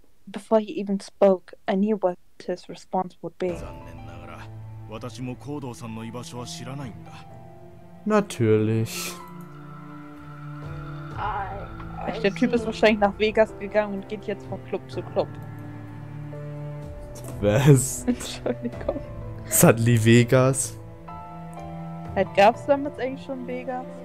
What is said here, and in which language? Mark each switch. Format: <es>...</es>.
<en>Before he even spoke, I knew what his response would be.</en> <ja>私も行動さんの居場所は知らないんだ。</ja> <de>Natürlich. Der Typ ist wahrscheinlich nach Vegas gegangen und geht jetzt von Club zu Club. Was? Entschuldigung.</de> <en>Suddenly Vegas.</en> <de>Halt, gab's damals eigentlich schon Vegas?</de>